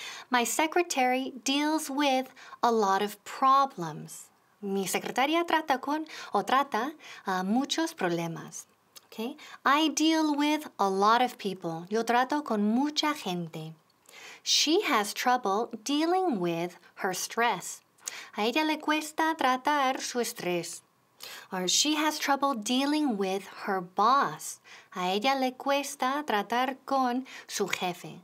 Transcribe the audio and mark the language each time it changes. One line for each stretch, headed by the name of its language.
English: My secretary deals with a lot of problems.
Spanish: Mi secretaria trata con o trata muchos problemas.
English: Okay? I deal with a lot of people. Yo trato con mucha gente. She has trouble dealing with her stress.
Spanish: A ella le cuesta tratar su estrés.
English: Or she has trouble dealing with her boss.
Spanish: A ella le cuesta tratar con su jefe.